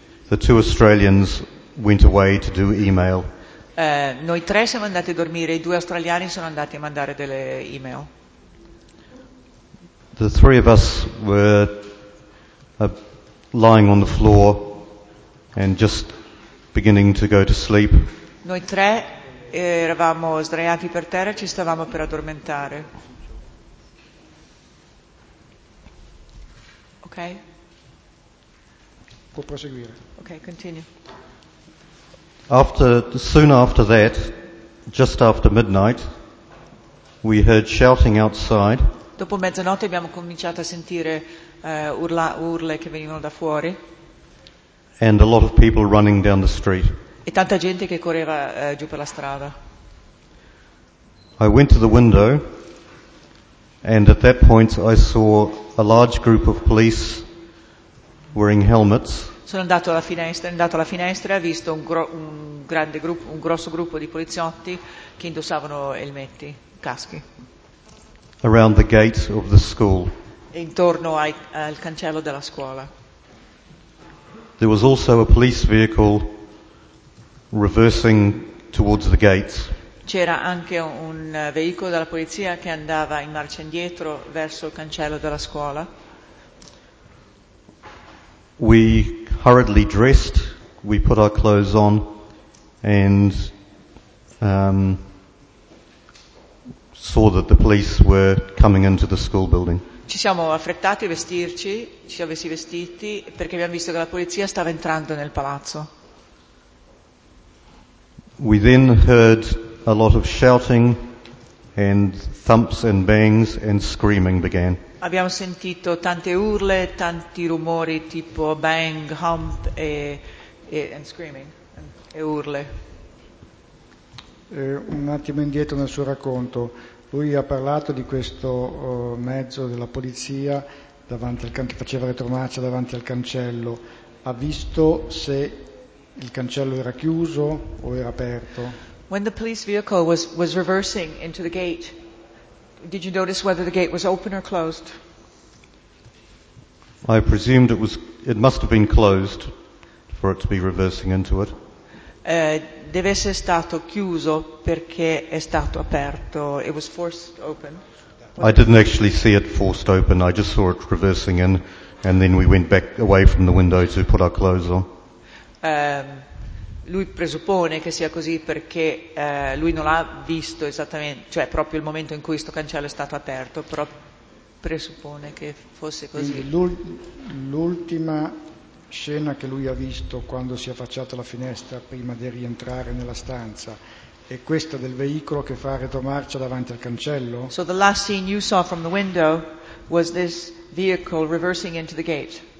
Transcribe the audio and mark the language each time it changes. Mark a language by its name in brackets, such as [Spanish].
[English] The two Australians went away to do email. [Italian] Noi tre siamo andati a dormire, i due australiani sono andati a mandare delle email. [English] The three of us were lying on the floor and just beginning to go to sleep. [Italian] Noi tre eravamo sdraiati per terra e ci stavamo per addormentare. [English] Ok? [Italian] Può proseguire. [English] Ok, continue. Soon after that, just after midnight, we heard shouting outside. [Italian] dopo mezzanotte abbiamo cominciato a sentire urle che venivano da fuori. [English] And a lot of people running down the street. [Italian] E tanta gente che correva giù per la strada. [English] I went to the window, and at that point I saw a large group of police wearing helmets. [Italian] Sono andato alla finestra, ho visto un grosso gruppo di poliziotti che indossavano elmetti, caschi. [English] Around the gate of the school. [Italian] E intorno al cancello della scuola. [English] There was also a police vehicle reversing towards the gates. [Italian] C'era anche un veicolo della polizia che andava in marcia indietro verso il cancello della scuola. [English] We hurriedly dressed, we put our clothes on, and saw that the police were coming into the school building. [Italian] Ci siamo affrettati a vestirci, ci siamo messi vestiti perché abbiamo visto che la polizia stava entrando nel palazzo. [English] We then heard a lot of shouting, and thumps and bangs and screaming began. [Italian] Abbiamo sentito tante urle, tanti rumori tipo bang, [English] hump and screaming [Italian] e urle. Un attimo indietro nel suo racconto, lui ha parlato di questo mezzo della polizia davanti al che faceva retromarcia davanti al cancello. Ha visto se il cancello era chiuso o era aperto? [English] When the police vehicle was reversing into the gate, did you notice whether the gate was open or closed? I presumed it must have been closed for it to be reversing into it. [Italian] Deve essere stato chiuso perché è stato aperto. [English] It was forced open. I didn't actually see it forced open. I just saw it reversing in, and then we went back away from the window to put our clothes on. [Italian] Lui presuppone che sia così perché lui non l'ha visto esattamente, cioè proprio il momento in cui questo cancello è stato aperto, però presuppone che fosse così. L'ultima scena che lui ha visto quando si è affacciato alla finestra prima di rientrare nella stanza è questa del veicolo che fa retromarcia davanti al cancello? [English] So the last scene you saw from the window was this vehicle reversing into the gate.